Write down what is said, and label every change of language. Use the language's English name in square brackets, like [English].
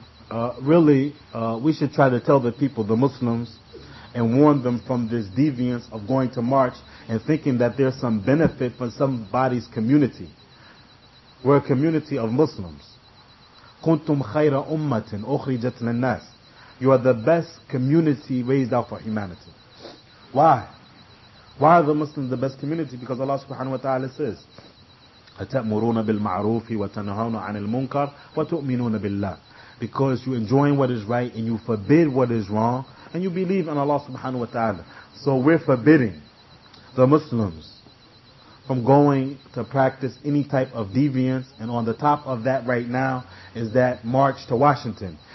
[English] We should try to tell the people, the Muslims, and warn them from this deviance of going to march and thinking that there's some benefit for somebody's community. We're a community of Muslims. [Arabic] كُنْتُمْ خَيْرَ أُمَّةٍ أُخْرِجَتْ لِلنَّاسِ. [English] You are the best community raised out for humanity. Why? Why are the Muslims the best community? Because Allah subhanahu wa ta'ala says, [Arabic] أَتَأْمُرُونَ بِالْمَعْرُوفِ وَتَنْهَوْنَ عَنِ الْمُنْكَرِ وَتُؤْمِنُونَ بِاللَّهِ. [English] Because you enjoin what is right and you forbid what is wrong and you believe in Allah subhanahu wa ta'ala. So we're forbidding the Muslims from going to practice any type of deviance. And on the top of that right now is that march to Washington.